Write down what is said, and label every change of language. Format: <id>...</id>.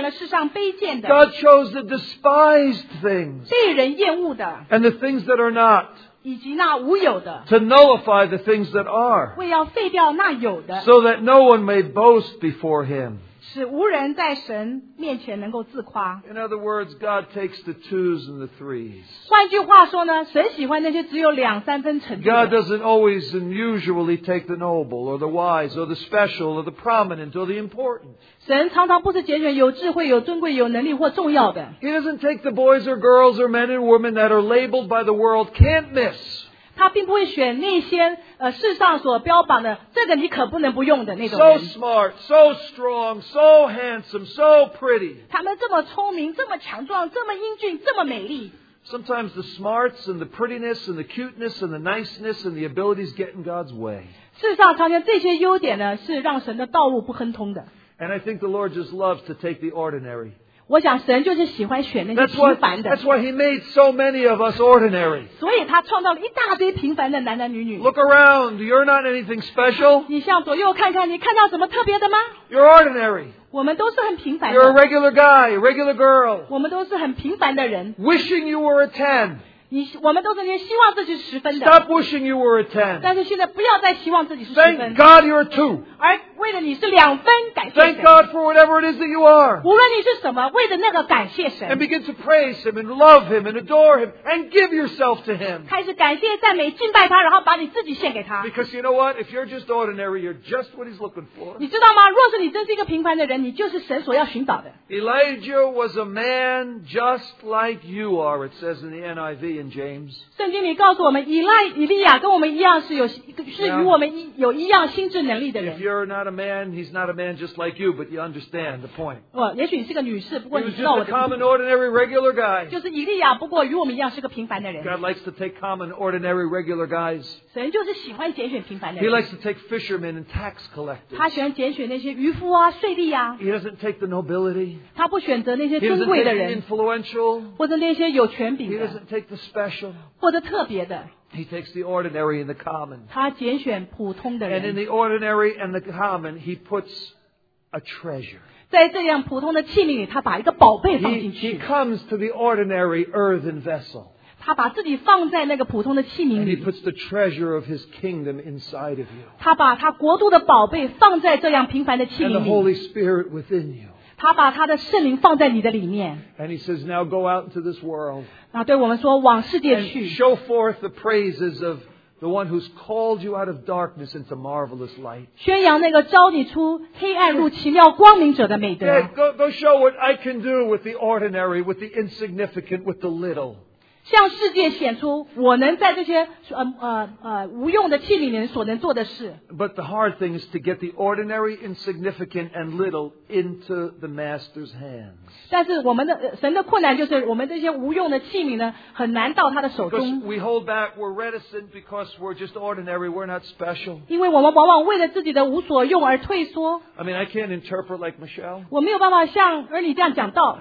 <en>God chose the despised things and the things that are not.</en> <zh>以及那无有的</zh> <en>to nullify the things that are,</en> <zh>为要废掉那有的</zh> <en>so that no one may boast before him.</en> <zh>使无人在神面前能够自夸</zh> <en>In other words, God takes the twos and the threes.</en> <zh>换句话说呢神喜欢那些只有两三分成绩</zh> <en>God doesn't always and usually take the noble, or the wise, or the special, or the prominent, or the important.</en> <zh>神常常不是拣选有智慧、有尊贵、有能力或重要的。</zh> <en>He doesn't take the boys or girls or men and women that are labeled by the world can't miss.</en> <zh>他并不会选那些世上所标榜的这个你可不能不用的那种人。</zh> <en>So smart, so strong, so handsome, so pretty.</en> <zh>他们这么聪明、这么强壮、这么英俊、这么美丽。</zh> <en>Sometimes the smarts and the prettiness and the cuteness and the niceness and the abilities get in God's way.</en> <zh>事实上，常常这些优点呢是让神的道路不亨通的。</zh> <en>And I think the Lord just loves to take the ordinary.</en> <zh>我想神就是喜欢选那些平凡的。</zh> <en>That's why He made so many of us ordinary.</en> <zh>所以他创造了一大堆平凡的男男女女。</zh> <en>Look around, you're not anything special.</en> <zh>你向左右看看，你看到什么特别的吗？</zh> <en>You're ordinary.</en> <zh>我们都是很平凡的。</zh> <en>You're a regular guy, a regular girl.</en> <zh>我们都是很平凡的人。</zh> <en>Wishing you were a ten.</en> <zh>我们都是希望自己是十分的。</zh> <en>Stop wishing you were a ten.</en> <zh>但是现在不要再希望自己是十分。</zh> <en>Thank God you're a two.</en> <zh>而为了你是两分，感谢神。</zh> <en>Thank God for whatever it is that you are.</en> <zh>无论你是什么，为了那个感谢神。</zh> <en>And begin to praise Him and love Him and adore Him and give yourself to Him.</en> <zh>开始感谢、赞美、敬拜他，然后把你自己献给他。</zh> <en>Because you know what? If you're just ordinary, you're just what He's looking for.</en> <zh>你知道吗？若是你真是一个平凡的人，你就是神所要寻找的。</zh> <en>Elijah was a man just like you are. It says in the NIV in James.</en> <zh>圣经里告诉我们，以利亚跟我们一样是与我们有一样心智能力的人。</zh> <en>If you're not a man, he's not a man just like you, but you understand the point.</en> <zh>也许你是个女士，不过你知道我的。</zh> <en>He was just a common, ordinary, regular guy.</en> <zh>就是以利亚，不过与我们一样是个平凡的人。</zh> <en>God likes to take common, ordinary, regular guys.</en> <zh>神就是喜欢拣选平凡的人。</zh> <en>He likes to take fishermen and tax collectors.</en> <zh>他喜欢拣选那些渔夫啊、税吏啊。</zh> <en>He doesn't take the nobility.</en> <zh>他不选择那些尊贵的人。</zh> <en>He doesn't take influential.</en> <zh>或者那些有权柄的。</zh> <en>He doesn't take the special.</en> <zh>或者特别的。</zh> <en>He takes the ordinary and the common.</en> <zh>他拣选普通的人。</zh> <en>And in the ordinary and the common, he puts a treasure.</en> <zh>在这样普通的器皿里，他把一个宝贝放进去。</zh> <en>He comes to the ordinary earthen vessel.</en> <zh>他把自己放在那个普通的器皿里。</zh> <en>And he puts the treasure of his kingdom inside of you.</en> <zh>他把他国度的宝贝放在这样平凡的器皿里。</zh> <en>And the Holy Spirit within you.</en> <zh>他把他的圣灵放在你的里面。</zh> <en>And he says, now go out into this world.</en> <zh>那对我们说，往世界去。</zh> <en>Show forth the praises of the one who's called you out of darkness into marvelous light.</en> <zh>宣扬那个招你出黑暗入奇妙光明者的美德。</zh> <en>Yeah, go show what I can do with the ordinary, with the insignificant, with the little.</en> <zh>向世界显出我能在这些无用的器皿里所能做的事。</zh> <en>But the hard thing is to get the ordinary, insignificant, and little into the Master's hands.</en> <zh>但是我们的神的困难就是我们这些无用的器皿呢很难到他的手中。</zh> <en>Because we hold back, we're reticent because we're just ordinary, we're not special.</en> <zh>因为我们往往为了自己的无所用而退缩。</zh> <en>I mean, I can't interpret like Michelle.</en> <zh>我没有办法像儿女这样讲道。</zh>